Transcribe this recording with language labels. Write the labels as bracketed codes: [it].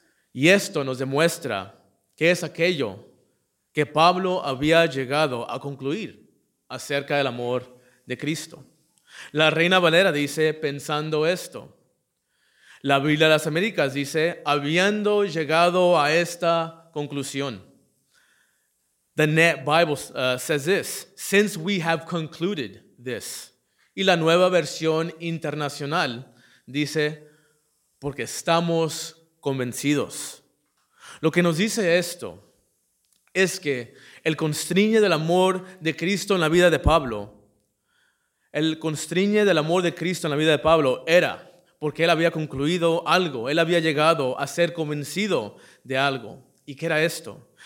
[es] Y esto nos demuestra que es aquello que Pablo había llegado a concluir acerca del amor de Cristo. La Reina Valera dice, pensando esto. La Biblia de las Américas dice, habiendo llegado a esta conclusión. [en] The NET Bible says this, since we have concluded this. [es] Y la Nueva Versión Internacional dice, porque estamos convencidos. Lo que nos dice esto es que el constriñe del amor de Cristo en la vida de Pablo, el constriñe del amor de Cristo en la vida de Pablo era porque él había concluido algo, él había llegado a ser convencido de algo. ¿Y qué era esto?